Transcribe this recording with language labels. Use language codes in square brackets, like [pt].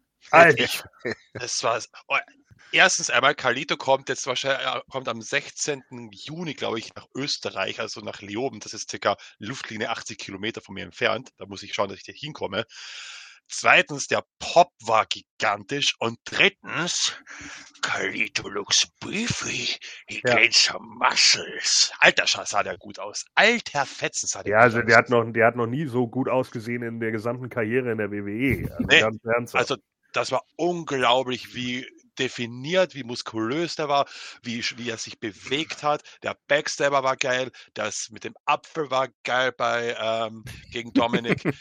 [de] Alter. Das war. Erstens einmal, Carlito kommt jetzt wahrscheinlich, kommt am 16. Juni, glaube ich, nach Österreich, also nach Leoben. Das ist circa Luftlinie 80 Kilometer von mir entfernt. Da muss ich schauen, dass ich da hinkomme. Zweitens, der Pop war gigantisch. Und drittens, [en] Carlito looks beefy, he gains some muscles. [de] Alter, sah der gut aus. Alter Fetzen sah der gut aus. Ja, also der hat noch nie so gut ausgesehen in der gesamten Karriere in der WWE. Also das war unglaublich, wie definiert, wie muskulös der war, wie er sich bewegt hat. Der Backstabber war geil, das mit dem Apfel war geil bei gegen Dominik.